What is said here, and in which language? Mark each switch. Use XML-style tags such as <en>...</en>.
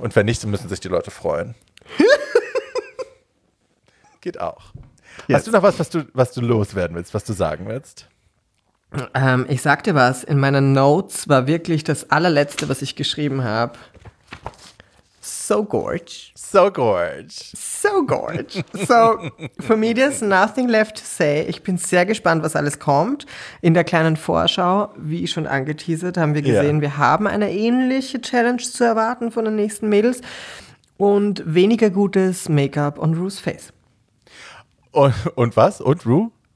<de>Und wenn nicht, dann müssen sich die Leute freuen. Geht auch. Yes. Hast du noch was du loswerden willst, was du sagen willst? Ich sag dir was, in meinen Notes war wirklich das allerletzte, was ich geschrieben habe.</de> <en>So gorge. So gorge. So gorge. So, for me there's nothing left to say.</en> <de>Ich bin sehr gespannt, was alles kommt. In der kleinen Vorschau, wie schon angeteasert, haben wir gesehen, wir haben eine ähnliche Challenge zu erwarten von den nächsten Mädels. Und weniger gutes Make-up</de> <en>on Ru's Face.</en> <de>Und was? Und Ru?</de>